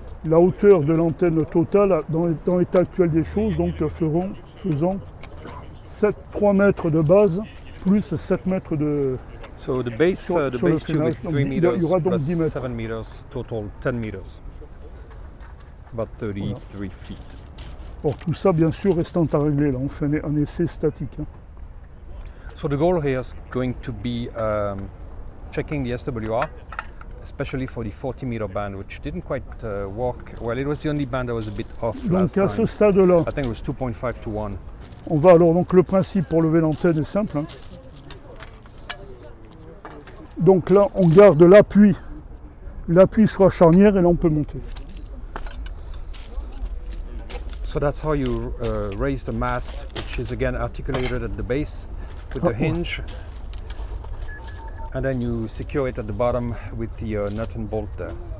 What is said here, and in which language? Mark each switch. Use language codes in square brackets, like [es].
[fr] La hauteur de l'antenne totale, dans l'état actuel des choses, donc faisons 3 mètres de base plus 7 mètres de... [en] So the base, tube is 3 meters, [fr] il y aura donc plus 10 mètres. [en] 7 meters, total 10 meters. About 33 voilà. Feet. [fr] Or, tout ça, bien sûr, restant à régler, là, on fait un essai statique. Hein. [en] So the goal here is going to be checking the SWR, especially for the 40 meter band, which didn't quite work. Well, it was the only band that was a bit off. [fr] Donc [en] last [fr] à ce stade-là, [en] I think it was 2.5 to 1. [fr] On va alors, donc le principe pour lever l'antenne est simple. Hein. Donc là, on garde l'appui sur la charnière et là, on peut monter. [en] So that's how you raise the mast, which is again articulated at the base with the hinge. And then you secure it at the bottom with the nut and bolt there.